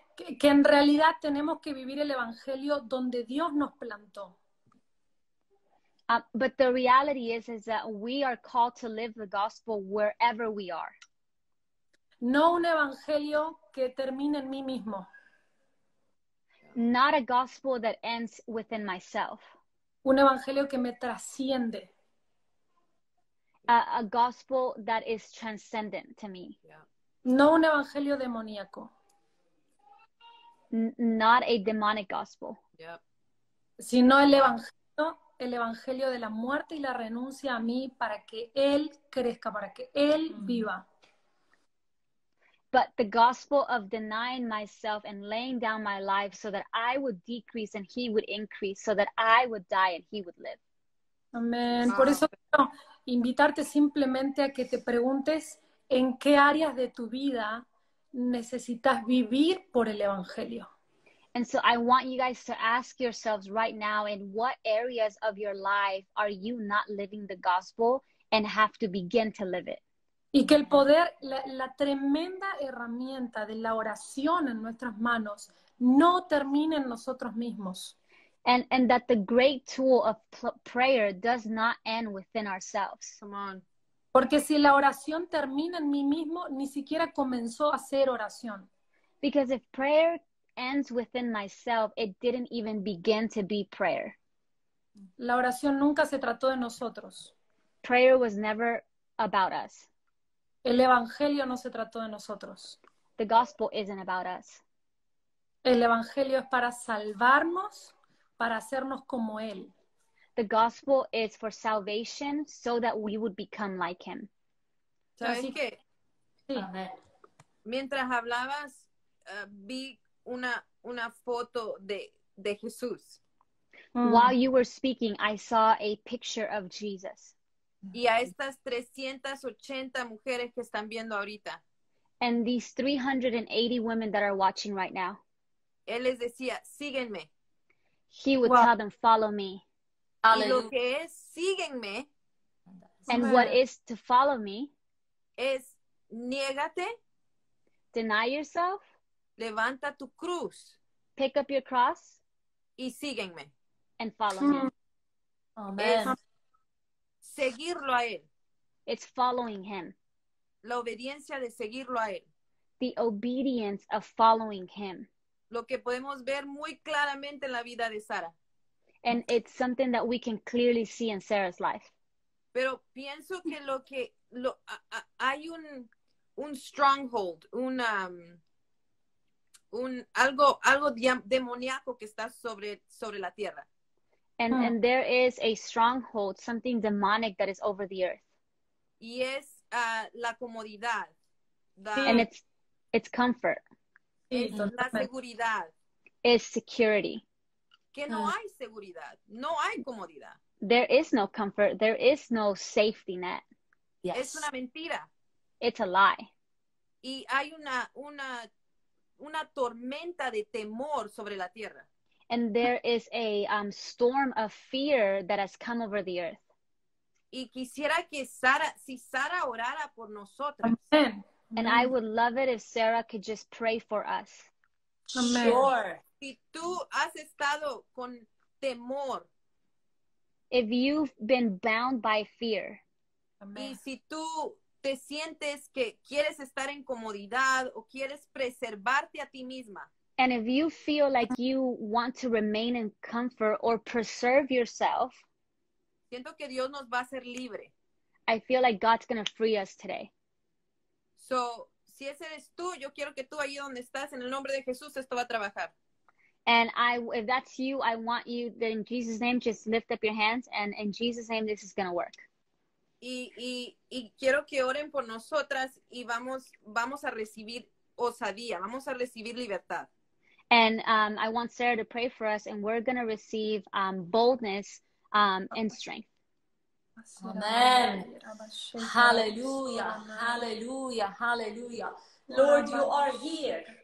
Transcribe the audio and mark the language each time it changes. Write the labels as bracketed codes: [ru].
[es] Que en realidad tenemos que vivir el evangelio donde Dios nos plantó. [en] But the reality is that we are called to live the gospel wherever we are. [es] No un evangelio que termine en mí mismo. [en] Not a gospel that ends within myself. [es] Un evangelio que me trasciende. [en] A gospel that is transcendent to me. Yeah. [es] No un evangelio demoníaco. [en] Not a demonic gospel. Yep. [es] Sino el evangelio de la muerte y la renuncia a mí para que él crezca, para que él viva. [en] But the gospel of denying myself and laying down my life so that I would decrease and he would increase, so that I would die and he would live. Amén. [es] Por eso quiero invitarte simplemente a que te preguntes en qué áreas de tu vida necesitas vivir por el evangelio. [en] And so I want you guys to ask yourselves right now, in what areas of your life are you not living the gospel and have to begin to live it? [es] Y que el poder, la tremenda herramienta de la oración en nuestras manos, no termine en nosotros mismos. [en] And that the great tool of prayer does not end within ourselves. Come on. [es] Porque si la oración termina en mí mismo, ni siquiera comenzó a ser oración. [en] Because if prayer ends within myself, it didn't even begin to be prayer. [es] La oración nunca se trató de nosotros. [en] Prayer was never about us. [es] El evangelio no se trató de nosotros. [en] The gospel isn't about us. [es] El evangelio es para salvarnos, para hacernos como él. [en] The gospel is for salvation so that we would become like him. [es] ¿Sabes así qué? Sí. Mientras hablabas, vi una foto de Jesús. [en] While you were speaking, I saw a picture of Jesus. [es] Y a estas 380 mujeres que están viendo ahorita. [en] And these 380 women that are watching right now. [es] Él les decía, síguenme. [en] He would wow. tell them, follow me. [es] Hallelujah. Y lo que es, síguenme. [en] And so, what is to follow me. [es] Es, niégate. [en] Deny yourself. [es] Levanta tu cruz. [en] Pick up your cross. [es] Y síguenme. [en] And follow me. Amen. [es] Seguirlo a él. [en] It's following him. [es] La obediencia de seguirlo a él. [en] The obedience of following him. [es] Lo que podemos ver muy claramente en la vida de Sara. [en] And it's something that we can clearly see in Sarah's life. [es] Pero pienso que lo que lo hay un stronghold, algo demoníaco que está sobre la tierra. [en] And and there is a stronghold, something demonic that is over the earth. [es] Y es la comodidad. [en] And it's comfort. [es] Es la seguridad. [en] Is security. [es] Que no hay seguridad, no hay comodidad. [en] There is no comfort, there is no safety net. [es] Yes. Es una mentira. [en] It's a lie. [es] Y hay una tormenta de temor sobre la tierra. [en] And there is a storm of fear that has come over the earth. [es] Y quisiera que Sara, si Sara orara por nosotras. Amen. [en] And I would love it if Sarah could just pray for us. Amen. Sure. [es] Si tú has estado con temor. [en] If you've been bound by fear. [es] Amen. Y si tú te sientes que quieres estar en comodidad o quieres preservarte a ti misma. [en] And if you feel like you want to remain in comfort or preserve yourself. [es] Siento que Dios nos va a hacer libre. [en] I feel like God's going to free us today. [es] So, si ese eres tú, yo quiero que tú ahí donde estás, en el nombre de Jesús, esto va a trabajar. [en] And if that's you, I want you, then in Jesus' name, just lift up your hands, and in Jesus' name, this is going to work. [es] Y quiero que oren por nosotras, y vamos a recibir osadía, vamos a recibir libertad. [en] And I want Sarah to pray for us, and we're going to receive boldness and strength. Amen. Hallelujah, hallelujah, hallelujah. Lord, you are here.